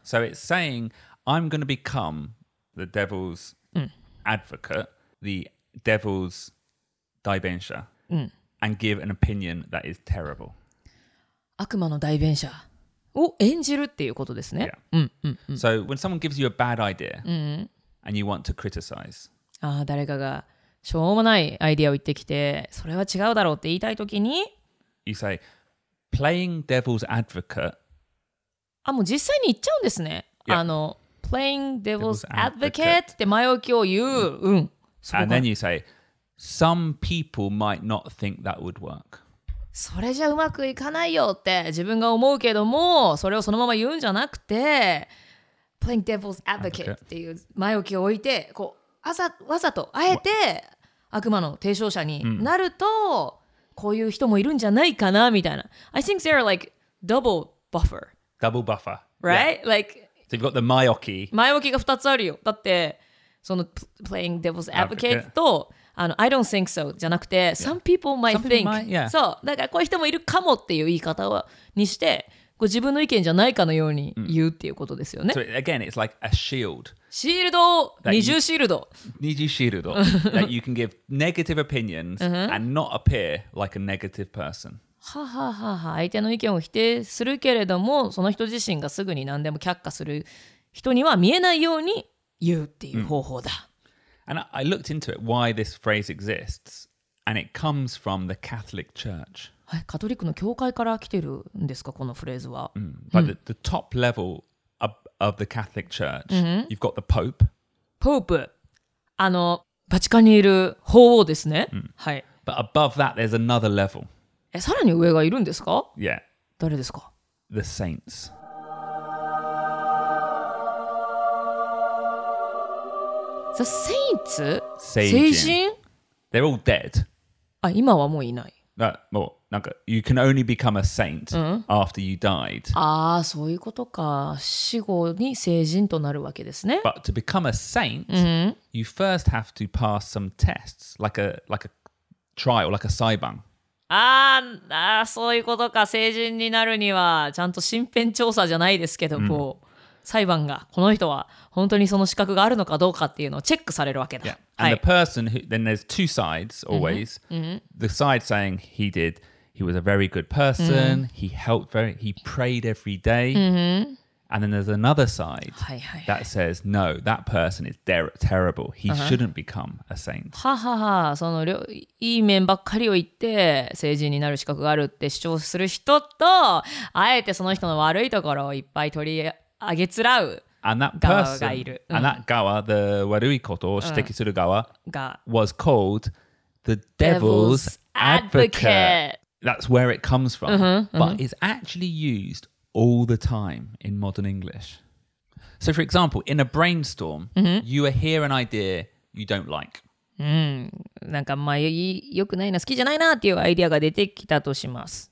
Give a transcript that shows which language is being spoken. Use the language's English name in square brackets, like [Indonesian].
[English] So it's saying, I'm going to become the devil's advocate, the devil's 代弁者, and give an opinion that is terrible. [Japanese] 悪魔の代弁者を演じるっていうことですね。 [English] So when someone gives you a bad idea, and you want to criticize, [Japanese] 誰かがしょうもないアイデアを言ってきて、それは違うだろうって言いたいときに、 [English] You say,Playing devil's advocate. [Japanese] あ、もう実際に言っちゃうんですね。 Yep. あの、 [English] playing devil's advocate [Japanese] って前置きを言う。 [English] And then you say, some people might not think that would work. [Japanese] それじゃうまくいかないよって自分が思うけども、それをそのまま言うんじゃなくて、 [English] playing devil's advocate [Japanese] っていう前置きを置いて、こう、わざと、あえて悪魔の提唱者になると、こういう人もいるんじゃないかなみたいな。 [English] I think there are like double buffer. Double buffer. Right?、 Yeah. Like, so you've got the 前置き。 [Japanese] 前置きが2つあるよ。 [English] だって、その playing devil's advocate と、I don't think so じゃなくて、some people might think. [Japanese] そう、だからこういう人もいるかもっていう言い方にして、こう自分の意見じゃないかのように言うっていうことですよね。 [English] So again, it's like a shield. [Japanese] シールド、二重シールド。二重シールド。 [English] That you can give negative opinions and not appear like a negative person. [Japanese] ははは、相手の意見を否定するけれども、その人自身がすぐに何でも却下する人には見えないように言うっていう方法だ。 [English] And I looked into it, why this phrase exists, and it comes from the Catholic Church. [Japanese] カトリックの教会から来てるんですかこのフレーズは、 [English] mm. But the top level of the Catholic Church、mm-hmm. You've got the Pope [Japanese] Pope あのバチカンにいる法王ですね、mm. はい、 [English] But above that there's another level [Japanese] えさらに上がいるんですか [English] Yeah [Japanese] 誰ですか [English] The Saints The Saints? 聖人 They're all dead [Japanese] あ今はもういない [English] もう、well, なんか You can only become a saint、うん、after you died [Japanese] ああそういうことか死後に聖人となるわけですね [English] But to become a saint、うん、You first have to pass some tests like a trial, like a 裁判 [Japanese] ああそういうことか聖人になるにはちゃんと身辺調査じゃないですけども、うん、裁判がこの人は本当にその資格があるのかどうかっていうのをチェックされるわけだ、 [English] yeah. はい、And the person who, then there's two sides always、mm-hmm. The side saying he did He was a very good person、mm-hmm. He helped very He prayed every day、mm-hmm. And then there's another side、 [Japanese] はいはいはい、 [English] That says no That person is terrible He、uh-huh. shouldn't become a saint [Japanese] ははは、そのいい面ばっかりを言って聖人になる資格があるって主張する人とあえてその人の悪いところをいっぱい取り上げつらう [English] And that person, [Japanese] がいる、うん、And that 側、the 悪いことを指摘する側、うん、が [English] was called the devil's advocate. That's where it comes from.、 [Japanese] うんうん、 [English] But it's actually used all the time in modern English. So for example, in a brainstorm,、うん、you hear an idea you don't like.、 [Japanese] うん、なんかまあ良くないな、好きじゃないなっていうアイデアが出てきたとします。